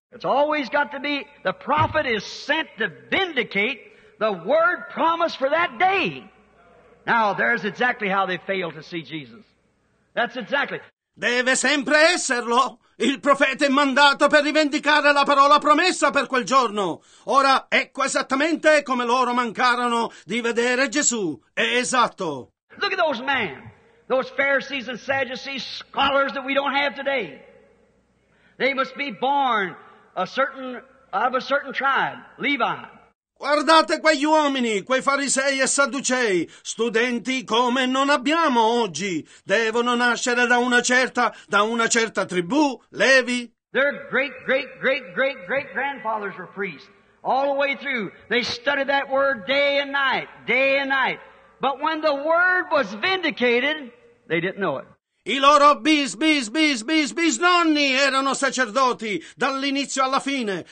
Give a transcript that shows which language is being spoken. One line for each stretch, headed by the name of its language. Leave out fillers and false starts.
English: It's always got to be, the prophet is sent to vindicate the word promised for that day. Now, there's exactly how they failed to see Jesus. That's exactly.
Italian: Deve sempre esserlo. Il profeta è mandato per rivendicare la parola promessa per quel giorno. Ora, ecco esattamente come loro mancarono di vedere Gesù. È esatto.
English: Look at those men, those Pharisees and Sadducees, scholars that we don't have today. They must be born of a certain tribe, Levi.
Italian: Guardate quegli uomini, quei farisei e sadducei, studenti come non abbiamo oggi. Devono nascere da una certa tribù, Levi.
English: Their great, great, great, great, great grandfathers were priests. All the way through, they studied that word day and night. But when the word was vindicated, they didn't know it.
Italian: I loro bisnonni erano sacerdoti dall'inizio alla fine.